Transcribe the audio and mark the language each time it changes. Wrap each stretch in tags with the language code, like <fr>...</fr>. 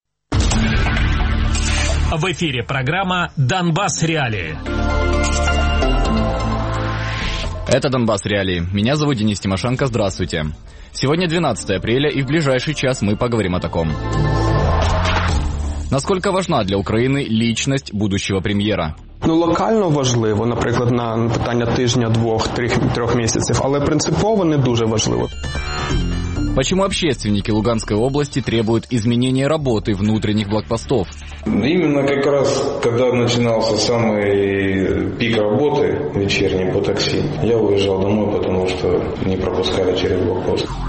<ru>В эфире программа «Донбасс Реалии». Это «Донбасс Реалии». Меня зовут Денис Тимошенко. Здравствуйте. Сегодня 12 апреля, и в ближайший час мы поговорим о таком. Насколько важна для Украины личность будущего премьера?</ru> <uk>Ну, локально важливо, наприклад, на питання тижня, двох, трьох місяців, але принципово не дуже важливо.</uk> <ru>Почему общественники Луганской области требуют изменения работы внутренних блокпостов? Именно как раз, когда начинался самый пик работы вечерней по такси, я уезжал домой, потому что не пропускали через блокпост.</ru>